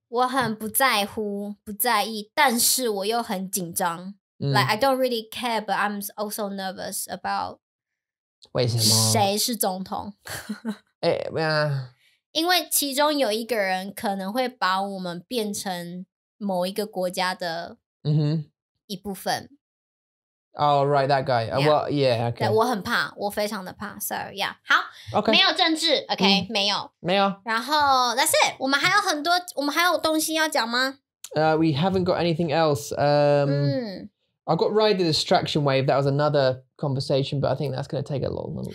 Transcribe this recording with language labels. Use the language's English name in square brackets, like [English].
[Chinese] 我很不在乎，不在意，但是我又很紧张。 [English] Like I don't really care, but I'm also nervous about [Chinese] 为什么谁是总统？因为其中有一个人可能会把我们变成某一个国家的一部分。 [English] Oh, right, that guy. Yeah. Well, yeah, okay. [Chinese] 我很怕，我非常的怕。 [English] So, yeah. [Chinese] 好 [English] ，OK， [Chinese] 没有政治 ，OK， 没有，没有。 [English] 然后 ，That's it. [Chinese] 我们还有很多，我们还有东西要讲吗？ [English] We haven't got anything else. I got ride the distraction wave. That was another conversation, but I think that's going to take a long time.